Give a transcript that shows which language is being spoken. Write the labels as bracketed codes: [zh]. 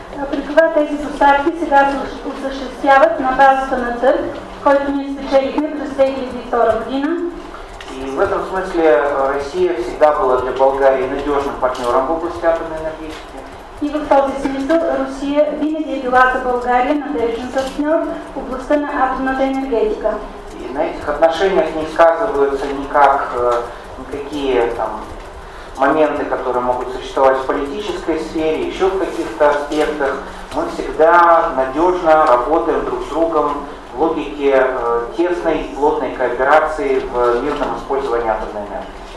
[bg] При това тези доставки сега се осъществяват на базата на търг, който ние спечелихме през 2002 година. [ru] И в этом смысле Россия всегда была для България надежным партнером в области атомной энергетики. [bg] И в този смисъл Русия винаги е била за България надежден партньор в областта на атомната енергетика. [ru] И на этих отношениях не сказываются никак никакие там моменты, которые могут существовать в политической сфере, еще в каких-то аспектах. Мы всегда надежно работаем друг с другом в логике тесной и плотной кооперации в мирном использовании атомной энергии.